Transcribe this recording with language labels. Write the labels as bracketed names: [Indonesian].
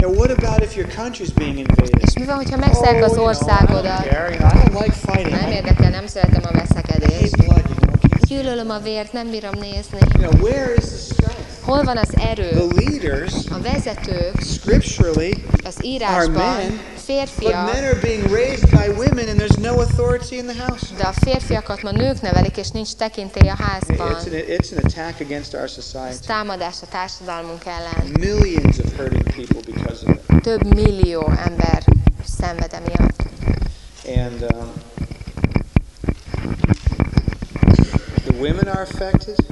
[English] Now what about if your country's being invaded? [Hungarian] És mi van, hogyha megszerek az országodat? [English] I don't like fighting. [Hungarian] Nem érdekel, nem szeretem a veszekedést. [English] Blood, you know, can't... [Hungarian] Gyűlölöm a vért, nem bírom nézni. [English] You know, where is the strength? [Hungarian] Hol van az erő? [English] The leaders, [Hungarian] a vezetők, [English] scripturally, [Hungarian] az írásban, férfiak. [English] But men are being raised by women and there's no authority in the house. [Hungarian] De a férfiakat ma nők nevelik és nincs tekintély a házban. [English] It's an attack against our society. [Hungarian] Ez támadás a társadalmunk ellen. [English] Millions of hurting people because of it. [Hungarian] Több millió ember szenved emiatt. [English] And the women are affected.